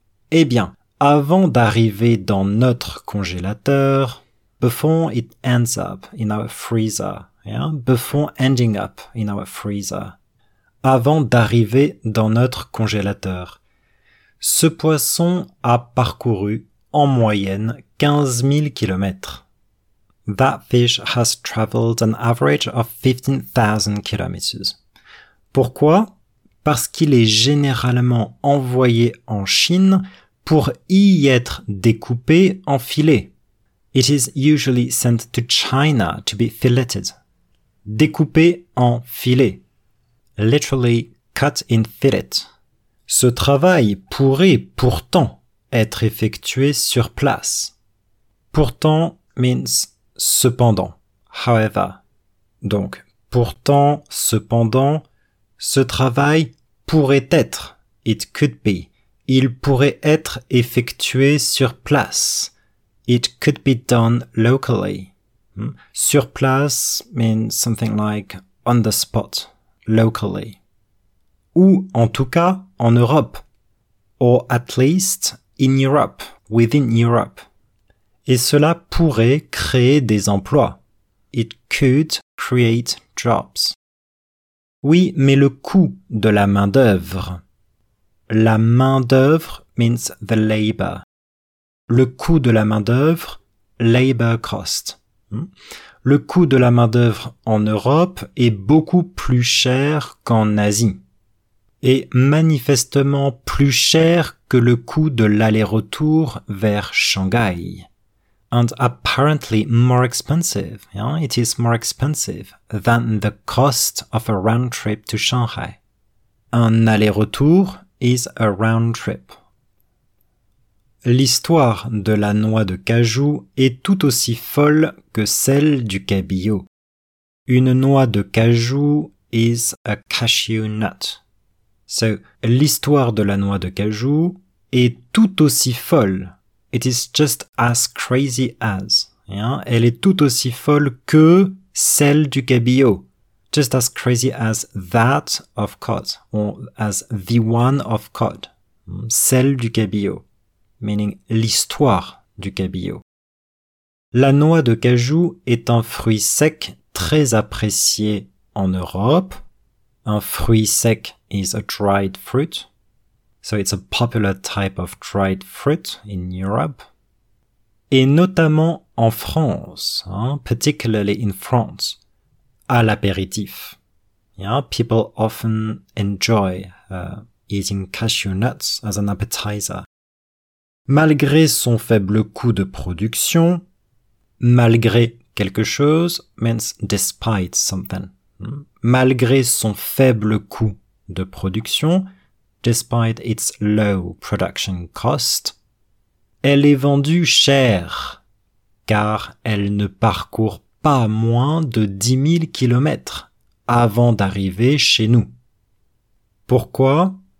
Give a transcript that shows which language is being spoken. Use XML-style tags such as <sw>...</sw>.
<fr>Eh bien, avant d'arriver dans notre congélateur,</fr> <en>before it ends up in our freezer, before ending up in our freezer,</en> <fr>avant d'arriver dans notre congélateur, ce poisson a parcouru en moyenne 15 000 kilomètres.</fr> <en>That fish has traveled an average of 15,000 kilometers.</en> <fr>Pourquoi? parce qu'il est généralement envoyé en Chine pour y être découpé en filets.</fr> <en>It is usually sent to China to be filleted.</en> <fr>Découpé en filets.</fr> <en>Literally cut in fillet.</en> <fr>Ce travail pourrait pourtant être effectué sur place.</fr> <en>Pourtant means cependant. However.</en> <fr>Donc, pourtant, cependant, ce travail pourrait être,</fr> <en>it could be,</en> <fr>il pourrait être effectué sur place,</fr> <en>it could be done locally. Sur place means something like on the spot, locally.</en> <fr>Ou en tout cas en Europe,</fr> <en>or at least in Europe, within Europe.</en> <fr>Et cela pourrait créer des emplois.</fr> <en>It could create jobs.</en> <fr>Oui, mais le coût de la main-d'œuvre. La main-d'œuvre</fr> <en>means the labor.</en> <fr>Le coût de la main-d'œuvre,</fr> <en>labor cost.</en> <fr>Le coût de la main-d'œuvre en Europe est beaucoup plus cher qu'en Asie. Et manifestement plus cher que le coût de l'aller-retour vers Shanghai.</fr> <en>And apparently more expensive, yeah? It is more expensive than the cost of a round trip to Shanghai. Un aller-retour is a round trip.</en> <fr>L'histoire de la noix de cajou est tout aussi folle que celle du cabillaud.</fr> <en>Une noix de cajou is a cashew nut.</en> <fr>So, l'histoire de la noix de cajou est tout aussi folle.</fr> <en>It is just as crazy as. Yeah?</en> <fr>Elle est tout aussi folle que celle du cabillaud.</fr> <en>Just as crazy as that of cod. Or as the one of cod.</en> <fr>Celle du cabillaud.</fr> <en>Meaning</en> <fr>l'histoire du cabillaud. La noix de cajou est un fruit sec très apprécié en Europe.</fr> <en>Un fruit sec is a dried fruit. So it's a popular type of dried fruit in Europe.</en> <fr>Et notamment en France, hein,</fr> <en>particularly in France,</en> <fr>à l'apéritif.</fr> <en>Yeah, people often enjoy eating cashew nuts as an appetizer.</en> <fr>Malgré son faible coût de production, malgré quelque chose</fr> <en>means despite something.</en> <fr>Malgré son faible coût de production,</fr> <en>despite its low production cost,</en> <fr>elle est vendue chère, car elle ne parcourt pas moins de 10 000 kilomètres avant d'arriver chez nous. Pourquoi?</fr>